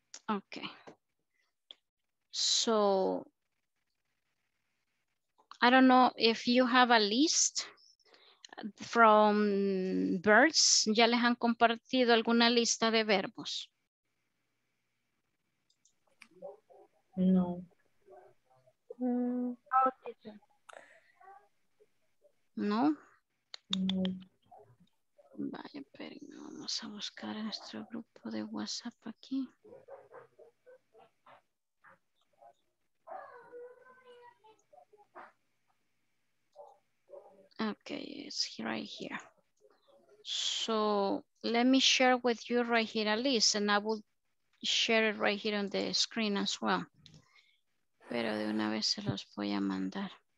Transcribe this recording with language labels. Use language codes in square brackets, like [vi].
[en] Okay, so I don't know if you have a list from verbs. [es] ¿Ya les han compartido alguna lista de verbos? No. No. No. Vaya, pero vamos a buscar a nuestro grupo de WhatsApp aquí. [en] Okay, it's right here. So let me share with you right here a list, and I will share it right here on the screen as well. [es] Pero de una vez se los voy a mandar.